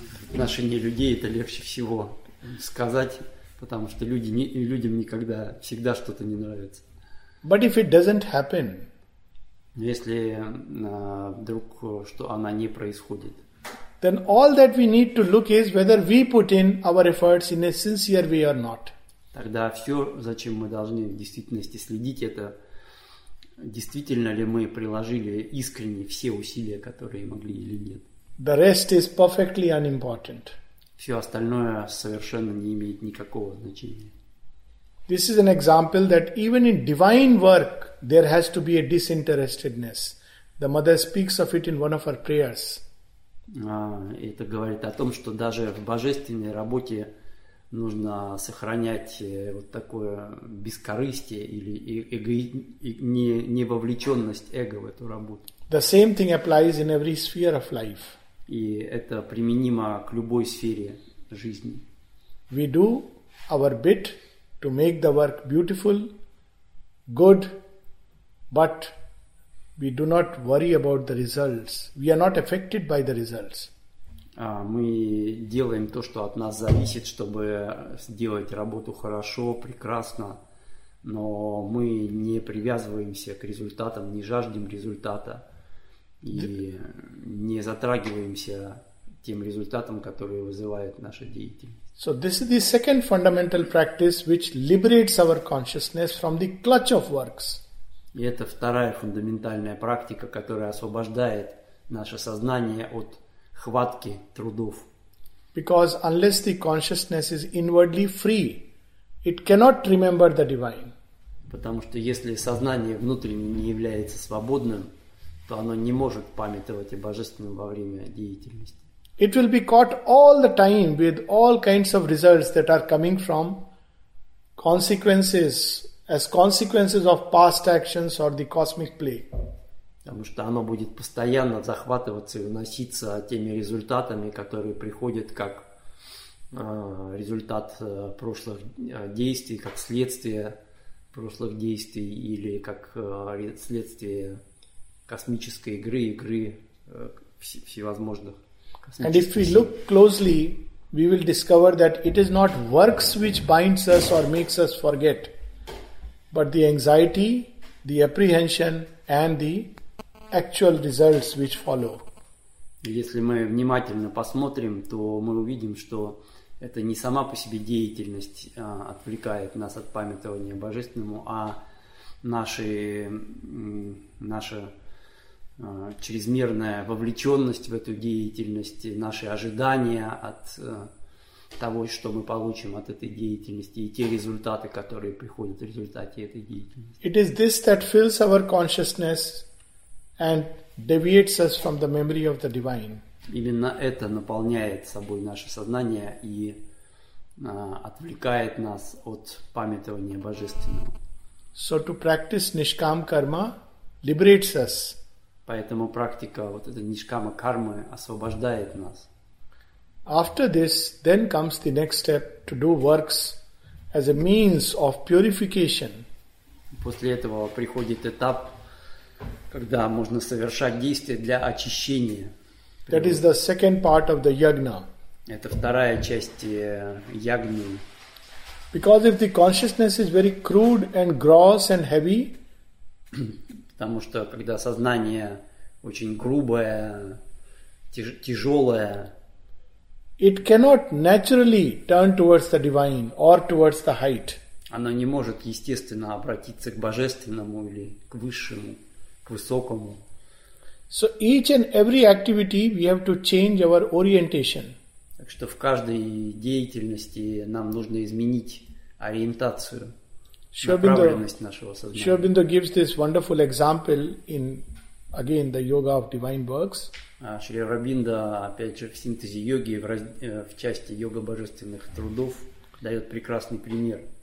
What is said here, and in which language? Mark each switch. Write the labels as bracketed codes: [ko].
[ru] Отношение людей это легче всего сказать, потому что людям никогда всегда что-то не нравится. [en] But if it doesn't happen, [ru] если вдруг что она не происходит, [en] then all that we need to look is whether we put in our efforts in a sincere way or not. [ru] Тогда все, зачем мы должны в действительности следить, это действительно ли мы приложили искренне все усилия, которые могли или нет. [en] The rest is perfectly unimportant. [ru] Все остальное совершенно не имеет никакого значения. [en] This is an example that even in divine work there has to be a disinterestedness. The mother speaks of it in one of her prayers. [ru] Это говорит о том, что даже в божественной работе нужно сохранять вот такое бескорыстие или не вовлеченность эго в эту работу. [en] The same thing applies in every sphere of life. [ru] И это применимо к любой сфере жизни. [en] We do our bit to make the work beautiful, good, but we do not worry about the results. We are not affected by the results. [ru] Мы делаем то, что от нас зависит, чтобы сделать работу хорошо, прекрасно, но мы не привязываемся к результатам, не жаждем результата и не затрагиваемся тем результатом, который вызывает наша деятельность. [en] So this is the second fundamental practice which liberates our consciousness from the clutch of works. [ru] И это вторая фундаментальная практика, которая освобождает наше сознание от хватки трудов. [en] Because unless the consciousness is inwardly free, it cannot remember the divine. [ru] Потому что если сознание внутренне не является свободным, то оно не может памятовать о божественном во время деятельности. [en] It will be caught all the time with all kinds of results that are coming from consequences, as consequences of past actions or the cosmic play. [ru] Потому что оно будет постоянно захватываться и уноситься теми результатами, которые приходят как результат прошлых действий, как следствие прошлых действий или как следствие космической игры, игры всевозможных космических. [en] And if we look closely, we will discover that it is not works which binds us or makes us forget, but the anxiety, the apprehension and the actual results which follow. [ru] Если мы внимательно посмотрим, то мы увидим, что это не сама по себе деятельность отвлекает нас от памятования божественному, а наша чрезмерная вовлеченность в эту деятельность, наши ожидания от того, что мы получим от этой деятельности, и те результаты, которые приходят в результате этой деятельности. [en] It is this that fills our consciousness and deviates us from the memory of the divine. [ru] Именно это наполняет собой наше сознание и отвлекает нас от памятования божественного. [en] So to practice nishkam karma liberates us. [ru] Поэтому практика вот эта нишкама кармы освобождает нас. [en] After this, then comes the next step to do works as a means of purification. [ru] После этого приходит этап, когда можно совершать действия для очищения. [en] That is the second part of the yagna. [ru] Это вторая часть ягни. [en] Because if the consciousness is very crude and gross and heavy, [ru] потому что когда сознание очень грубое, тяжелое, [en] it cannot naturally turn towards the divine or towards the height. [ru] Оно не может естественно обратиться к божественному или к высшему, к высокому. [en] So each and every activity we have to change our orientation. [ru] Так что в каждой деятельности нам нужно изменить ориентацию, направленность нашего сознания. [en] Шобиндо gives this wonderful example in again the Yoga of Divine Works. [ru] Шри Рабинда, опять же, в синтезе йоги, в части йога божественных трудов, дает прекрасный пример.